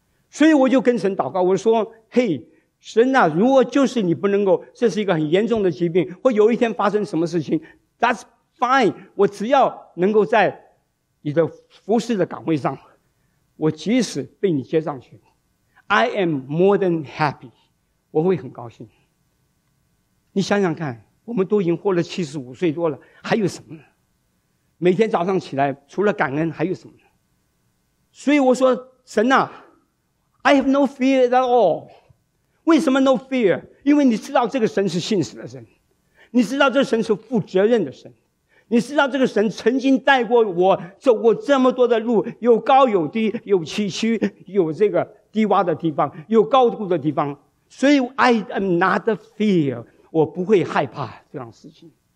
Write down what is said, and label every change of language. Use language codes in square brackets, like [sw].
[zh] 所以我就跟神祷告，我说，嘿神啊，如果就是你不能够，这是一个很严重的疾病，或有一天发生什么事情， [en] That's fine， [zh] 我只要能够在你的服侍的岗位上，我即使被你接上去， [en] I am more than happy， [zh] 我会很高兴。你想想看，我们都已经活了75岁多了，还有什么呢？每天早上起来除了感恩还有什么呢？所以我说，神啊， [en] I have no fear at all。 [zh] 为什么 [en] no fear？ [zh] 因为你知道这个神是信实的神，你知道这个神是负责任的神，你知道这个神曾经带过我，走过这么多的路，有高有低，有崎岖，有这个低洼的地方，有高度的地方，所以 [en] I am not fear， [zh] 我不会害怕这样事情。